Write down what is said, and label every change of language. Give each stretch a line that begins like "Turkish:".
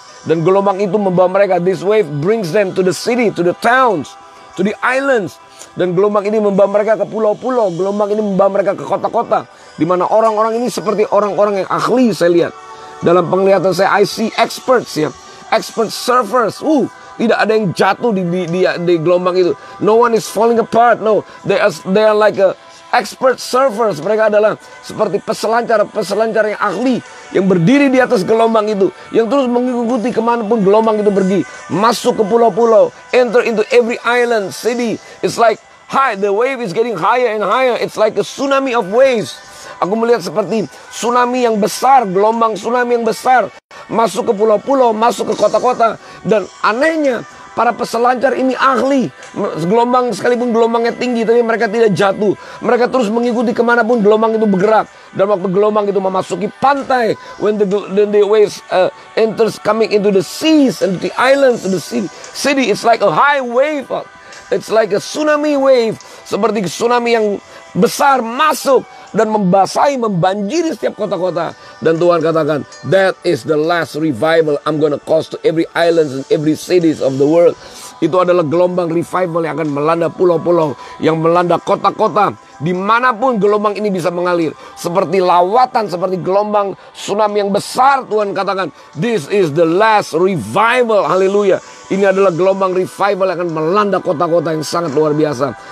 Indonesian: Dan gelombang itu membawa mereka,
English: this wave brings them to the city, to the towns, to the islands.
Indonesian: Dan gelombang ini membawa mereka ke pulau-pulau, gelombang ini membawa mereka ke kota-kota. Dimana orang-orang ini seperti orang-orang yang ahli saya lihat. Dalam penglihatan saya,
English: I see experts ya. Expert surfers,
Indonesian: tidak ada yang jatuh di gelombang itu.
English: No one is falling apart, no. They are like a expert surfers.
Indonesian: Mereka adalah seperti peselancar yang ahli, yang berdiri di atas gelombang itu, yang terus mengikuti kemanapun gelombang itu pergi, masuk ke pulau-pulau,
English: enter into every island, city. It's like high, the wave is getting higher and higher. It's like a tsunami of waves.
Indonesian: Aku melihat seperti tsunami yang besar, gelombang tsunami yang besar, masuk ke pulau-pulau, masuk ke kota-kota. Dan anehnya, para peselancar ini ahli. Gelombang sekalipun gelombangnya tinggi, tapi mereka tidak jatuh. Mereka terus mengikuti kemanapun gelombang itu bergerak. Dan waktu gelombang itu memasuki pantai,
English: when the waves enters coming into the seas and the islands and the city, it's like a high wave. It's like a tsunami wave.
Indonesian: Seperti tsunami yang besar masuk dan membasahi, membanjiri setiap kota-kota. Dan Tuhan katakan,
English: that is the last revival I'm gonna cause to every islands and every cities of the world.
Indonesian: Itu adalah gelombang revival yang akan melanda pulau-pulau, yang melanda kota-kota, dimanapun gelombang ini bisa mengalir. Seperti lawatan, seperti gelombang tsunami yang besar, Tuhan katakan,
English: this is the last revival,
Indonesian: haleluya. Ini adalah gelombang revival yang akan melanda kota-kota yang sangat luar biasa.